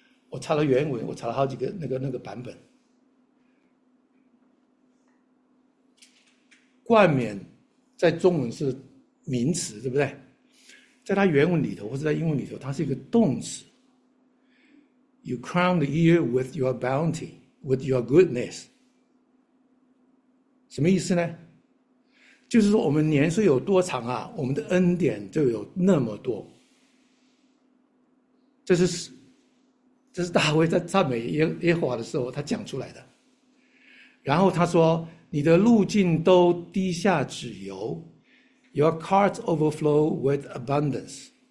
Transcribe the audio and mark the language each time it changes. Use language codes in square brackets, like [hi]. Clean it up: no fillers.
[zh] 我查了原文，我查了好几个那个版本。冠冕在中文是名词，对不对？在它原文里头或者在英文里头，它是一个动词。 [en] You crown the year with your bounty, with your goodness。 [zh] 什么意思呢？就是说我们年岁有多长啊，我们的恩典就有那么多。这是大卫在赞美耶和华的时候他讲出来的。然后他说，你的路径都滴下脂油， [en] Your carts overflow with abundance。